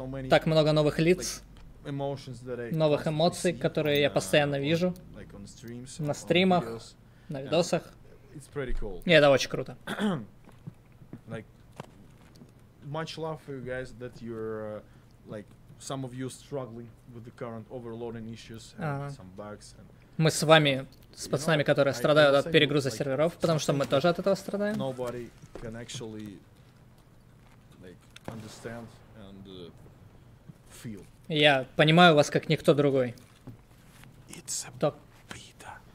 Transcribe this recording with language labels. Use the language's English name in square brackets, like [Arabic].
[Russian] Так много новых лиц. Новых эмоций, которые я постоянно вижу на стримах, на видосах. И это очень круто. [English] Much love for you guys that you're like some of you struggling with the current overloading issues and some bugs. [Russian] Мы с вами, с пацанами, которые страдают от перегруза серверов, потому что мы тоже от этого страдаем. [English] Nobody can actually like understand and feel. [Russian] Я понимаю вас как никто другой. [English] It's a beta.